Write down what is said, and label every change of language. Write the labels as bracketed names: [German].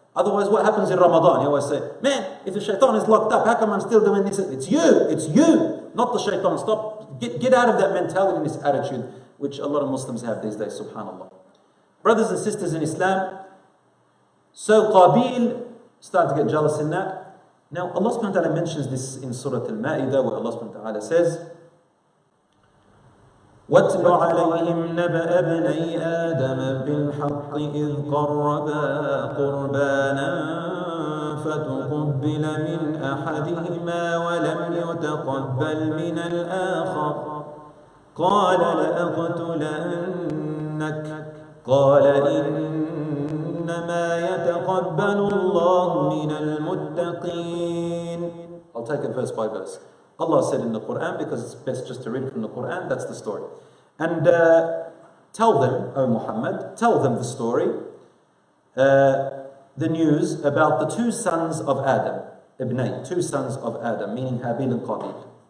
[English] Otherwise, what happens in Ramadan? You always say, man, if the shaitan is locked up, how come I'm still doing this? It's you. It's you. Not the shaitan. Stop. Get out of that mentality and this attitude, which a lot of Muslims have these days. SubhanAllah. Brothers and sisters in Islam, so Qabil started to get jealous in that. Now, Allah subhanahu wa ta'ala mentions this in Surah Al-Ma'idah, where Allah subhanahu wa ta'ala says, [Arabic] واتل عليهم نبأ ابني آدم بالحق إذ قربا قربانا فتقبل من أحدهما ولم يتقبل من الآخر قال لأقتلنك قال إنما يتقبل الله من المتقين. [English] I'll take it verse by verse. Allah said in the Quran, because it's best just to read from the Quran, that's the story. And tell them, O Muhammad, tell them the story, the news about the two sons of Adam, Ibnayn, two sons of Adam, meaning Habil and Qabil.